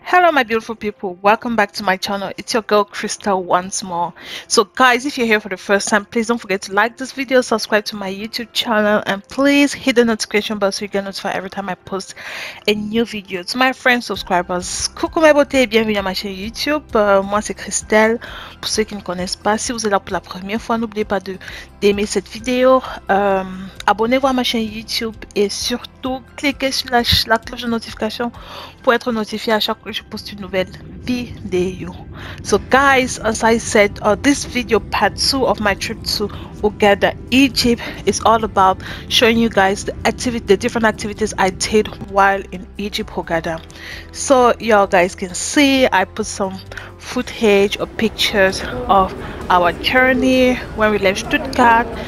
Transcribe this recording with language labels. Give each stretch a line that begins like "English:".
English: My beautiful people, welcome back to my channel. It's your girl Crystal once more. So guys, if you're here for the first time, please don't forget to like this video, subscribe to my YouTube channel, and please hit the notification bell so you get notified every time I post a new video. To my friends, subscribers,
French: coucou ma beauté, bienvenue à ma chaîne YouTube. Moi c'est Christelle. Pour ceux qui ne connaissent pas, si vous êtes là pour la première fois, n'oubliez pas d'aimer cette vidéo, abonnez-vous à ma chaîne YouTube et surtout cliquez sur la cloche de notification pour être notifié à chaque fois que je poste une nouvelle vidéo.
English: So guys, as I said, this video part 2 of my trip to Hurghada-Egypt is all about showing you guys the different activities I did while in Egypt, Hurghada. So y'all guys can see I put some footage or pictures of our journey when we left Stuttgart.